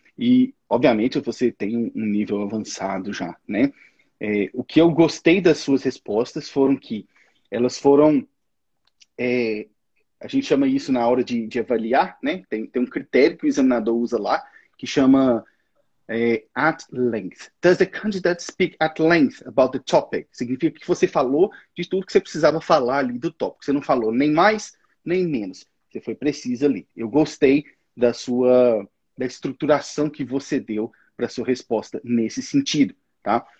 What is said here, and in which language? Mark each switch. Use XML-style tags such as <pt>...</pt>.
<pt>E, obviamente, você tem um nível avançado já, né? É, o que eu gostei das suas respostas foram que elas foram... É, a gente chama isso na hora de avaliar, né? Tem um critério que o examinador usa lá, que chama at length.</pt> <en>Does the candidate speak at length about the topic?</en> <pt>Significa que você falou de tudo que você precisava falar ali do tópico. Você não falou nem mais, nem menos. Você foi precisa ali. Eu gostei da estruturação que você deu para a sua resposta nesse sentido, tá?</pt>